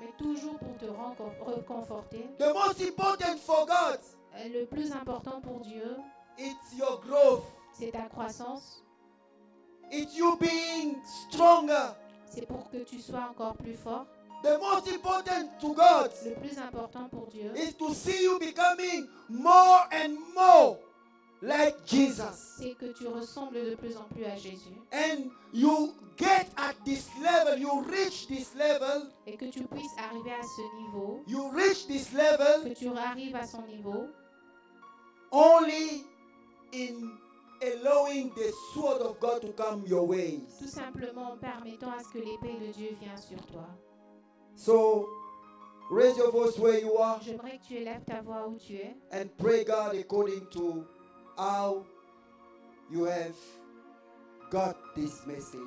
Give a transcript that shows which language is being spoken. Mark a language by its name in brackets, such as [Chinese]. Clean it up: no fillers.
[French] Mais toujours pour te réconforter. [English] The most important for God. [French] Le plus important pour Dieu. [English] It's your growth. [French] C'est ta croissance. [English] It's you being stronger. [French] C'est pour que tu sois encore plus fort. [English] The most important to God. [French] Le plus important pour Dieu. [English] Is to see you becoming more and more like Jesus. [French] C'est que tu ressembles de plus en plus à Jésus. [English] And you get at this level, you reach this level. [French] Et que tu puisses arriver à ce niveau. [English] You reach this level. [French] Que tu arrives à son niveau. [English] Only in allowing the sword of God to come your way. [French] Tout simplement en permettant à ce que l'épée de Dieu vienne sur toi. [English] So, raise your voice where you are. [French] J'aimerais que tu élèves ta voix où tu es. [English] And pray God according to how you have got this message.